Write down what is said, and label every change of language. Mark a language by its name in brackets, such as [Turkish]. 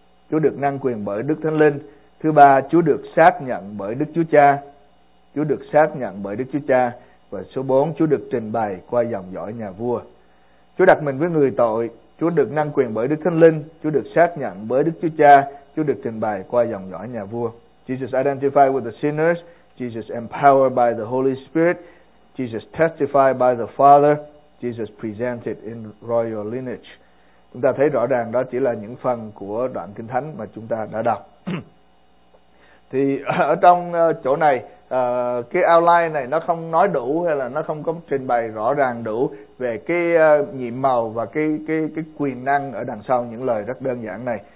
[Vietnamese] Chúa được năng quyền bởi Đức Thánh Linh. Thứ ba, Chúa được xác nhận bởi Đức Chúa Cha. Chúa được xác nhận bởi Đức Chúa Cha. Và số 4, Chúa được trình bày qua dòng dõi nhà vua. Chúa đặt mình với người tội, Chúa được năng quyền bởi Đức Thánh Linh, Chúa được xác nhận bởi Đức Chúa Cha, Chúa được trình bày qua dòng dõi nhà vua. [English] Jesus identified with the sinners, Jesus empowered by the Holy Spirit, Jesus testified by the Father, Jesus presented in royal lineage. [Vietnamese] Chúng ta thấy rõ ràng đó chỉ là những phần của đoạn Kinh Thánh mà chúng ta đã đọc. Thì ở trong chỗ này, cái outline này nó không nói đủ, hay là nó không có trình bày rõ ràng đủ về cái nhiệm màu và cái quyền năng ở đằng sau những lời rất đơn giản này.